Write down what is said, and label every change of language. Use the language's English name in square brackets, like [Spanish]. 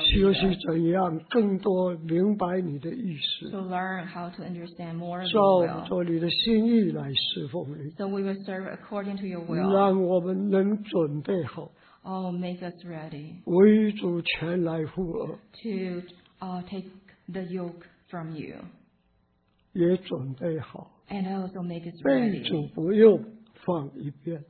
[Chinese] 学习怎样更多明白你的意思 [English] to learn how to understand more of your will [Chinese] 照着你的心意来侍奉你 [English] so we will serve according to your will [Chinese] 让我们能准备好 [English] Oh, make us ready. [Chinese] 为主前来赴俄 [English] To take the yoke from you. [Chinese] 也准备好 [English] And also make us ready. [Chinese] 被主不用放一边